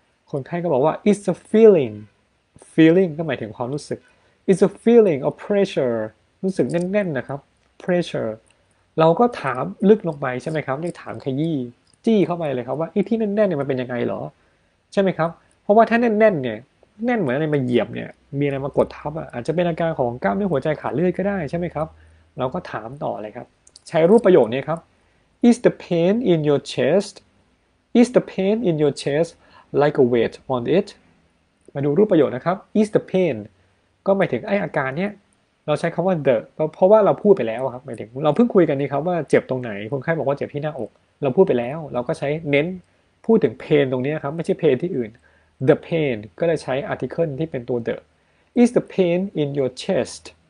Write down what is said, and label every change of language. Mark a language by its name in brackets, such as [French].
[Thai] คนไข้ก็บอกว่า it's a feeling feeling ก็หมายถึงความรู้สึก [English] it's a feeling of pressure [Thai] รู้สึกแน่นๆนะครับ pressure เราก็ถามลึกลงไปใช่ไหมครับเรียกถามขยี้จี้เข้าไปเลยครับว่าไอ้ที่แน่นๆเนี่ยมันเป็นยังไงหรอใช่ไหมครับเพราะว่าถ้าแน่นๆเนี่ยแน่นเหมือนอะไรมาเหยียบเนี่ยมีอะไรมากดทับอ่ะอาจจะเป็นอาการของกล้ามเนื้อหัวใจขาดเลือดก็ได้ใช่ไหมครับเราก็ถามต่อเลยครับใช้รูปประโยคนี้ครับ [English] Is the pain in your chest? Is the pain in your chest like a weight on it? [Thai] มาดูรูปประโยคนะครับ Is the pain ก็หมายถึงไอ้อาการเนี้ยเราใช้คําว่า the เพราะว่าเราพูดไปแล้วครับหมายถึงเราเพิ่งคุยกันนี่ครับว่าเจ็บตรงไหนคนไข้บอกว่าเจ็บที่หน้าอกเราพูดไปแล้วเราก็ใช้เน้นพูดถึง pain ตรงนี้ครับไม่ใช่ pain ที่อื่น the pain ก็เลยใช้ article ที่เป็นตัว the [English] is the pain in your chest